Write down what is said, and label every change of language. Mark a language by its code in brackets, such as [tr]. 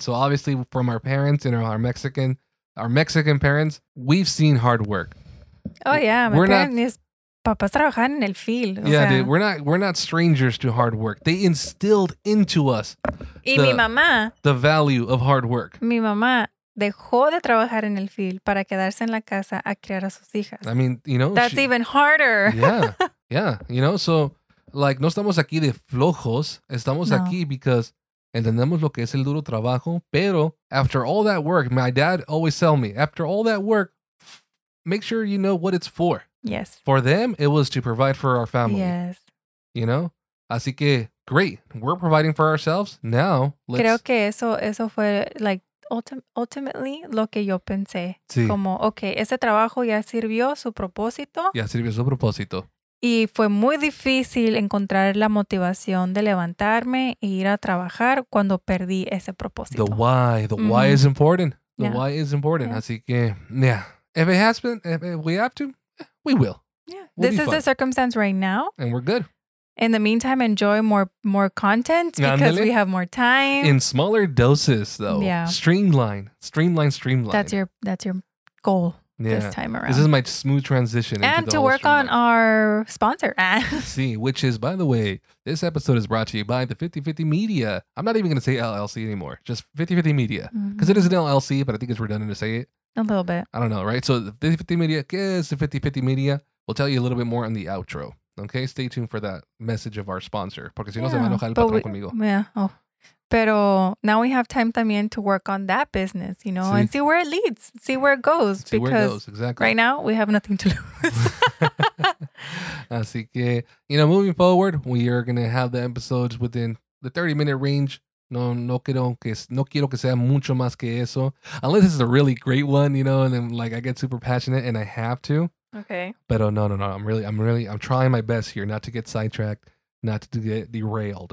[en] So obviously from our parents and our Mexican parents, we've seen hard work. Oh, yeah. [es] Mis papás trabajaban en el field. [en] Yeah, [es] o sea, [en] dude, we're not strangers to hard work. They instilled into us the value of hard work. [es] Mi mamá dejó de trabajar en el field para quedarse en la casa a criar a sus hijas. [en] I mean, you know. That's even harder. Yeah, yeah. You know, so, like, [es] no estamos aquí de flojos. Estamos aquí because entendemos lo que es el duro trabajo. [en] Pero after all that work, my dad always tell me, after all that work, make sure you know what it's for. Yes. For them, it was to provide for our family. Yes. You know? Así que, great. We're providing for ourselves. Now, let's... [es] Creo que eso fue, like, ultimately, lo que yo pensé. Sí. Como, okay, ese trabajo ya sirvió su propósito. Ya sirvió su propósito. Y fue muy difícil encontrar la motivación de levantarme e ir a trabajar cuando perdí ese propósito. [en] The why is important. The why is important. Yeah. Así que, yeah. If it has been, if we have to, we will. Yeah. This is the circumstance right now. And we're good. In the meantime, enjoy more content because we have more time. In smaller doses, though. Yeah. Streamline. That's your goal this time around. This is my smooth transition. And to work on our sponsor. See, which is, by the way, this episode is brought to you by the 50-50 Media. I'm not even going to say LLC anymore. Just 50-50 Media. Because it is an LLC, but I think it's redundant to say it. A little bit. I don't know, right? So the 50-50 Media, [es] ¿qué es [en] the 50-50 Media? We'll tell you a little bit more on the outro. Okay, stay tuned for that message of our sponsor. [es] Porque si no, se va a enojar el patrón conmigo. [en] Yeah. Oh. Pero now we have time también to work on that business, you know, and see where it leads, see where it goes. See where it goes, exactly. Right now, we have nothing to lose. Así que, you know, moving forward, we are going to have the episodes within the 30-minute range. [es] No quiero que sea mucho más que eso. [en] Unless this is a really great one, you know, and then like I get super passionate and I have to. Okay. But no. I'm trying my best here not to get sidetracked, not to get derailed.